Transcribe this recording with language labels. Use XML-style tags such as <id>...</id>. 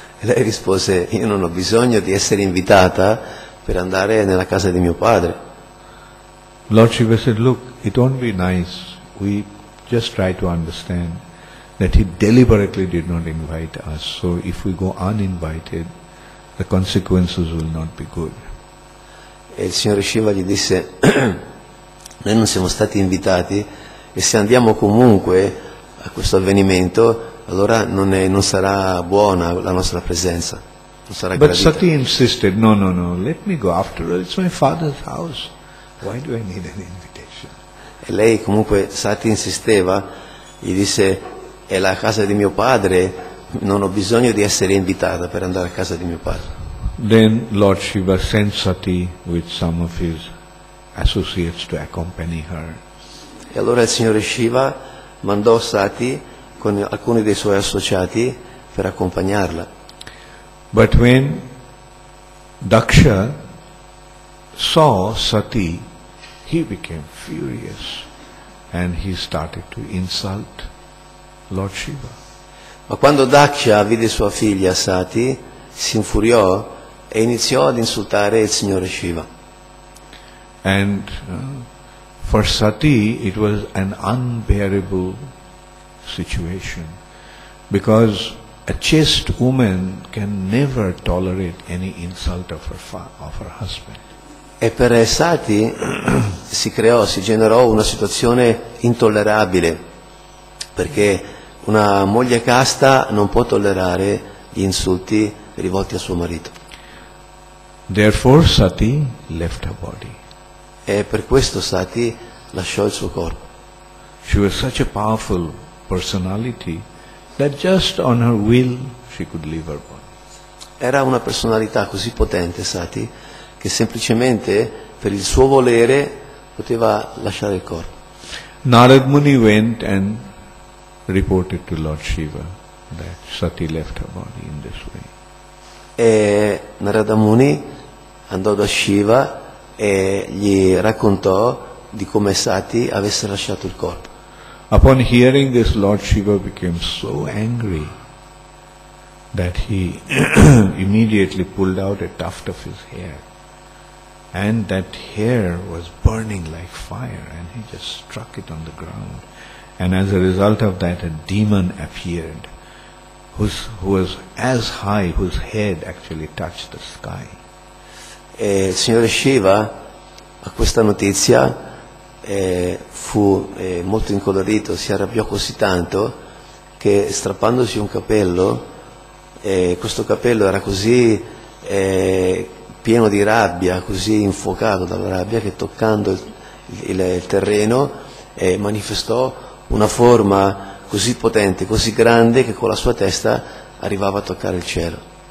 <it>E lei rispose, io non ho bisogno di essere invitata per andare nella casa di mio padre.</it> <en>Lord Shiva said, look, it won't be nice. We just try to understand that he deliberately did not invite us. So if we go uninvited, the consequences will not be good.</en> <it>E il signore Shiva gli disse, noi non siamo stati invitati e se andiamo comunque a questo avvenimento, allora non sarà buona la nostra presenza, non sarà gradita.</it> <en>But Sati insisted, no, let me go, after all it's my father's house, why do I need an invitation?</en> <it>E lei comunque, Sati insisteva, gli disse, è la casa di mio padre, non ho bisogno di essere invitata per andare a casa di mio padre.</it> <en>Then Lord Shiva sent Sati with some of his associates to accompany her.</en> <it>E allora il signore Shiva mandò Sati con alcuni dei suoi associati per accompagnarla.</it> <en>But when Daksha saw Sati, he became furious and he started to insult Lord Shiva.</en> <it>Ma quando Daksha vide sua figlia Sati, si infuriò e iniziò ad insultare il Signore Shiva.</it> <en>And for Sati it was an unbearable situation, because a chaste woman can never tolerate any insult of her husband.</en> <it>E per Sati si generò una situazione intollerabile, perché una moglie casta non può tollerare gli insulti rivolti a suo marito.</it> <en>Therefore Sati left her body.</en> <it>E per questo Sati lasciò il suo corpo.</it> <en>She was such a powerful personality that just on her will she could leave her body.</en> <it>Era una personalità così potente Sati che semplicemente per il suo volere poteva lasciare il corpo.</it> <en>Narad Muni went and reported to Lord Shiva that Sati left her body in this way.</en> <it>E Narada Muni andò da Shiva e gli raccontò di come Sati avesse lasciato il corpo.</it> <en>Upon hearing this, Lord Shiva became so angry that he immediately pulled out a tuft of his hair, and that hair was burning like fire, and he just struck it on the ground, and as a result of that a demon appeared who was as high, whose head actually touched the sky.</en> <it>E il signore Shiva a questa notizia fu molto incolorito, si arrabbiò così tanto che strappandosi un capello, questo capello era così pieno di rabbia, così infuocato dalla rabbia, che toccando il terreno manifestò una forma così potente, così grande, che con la sua testa arrivava a toccare il cielo.</it>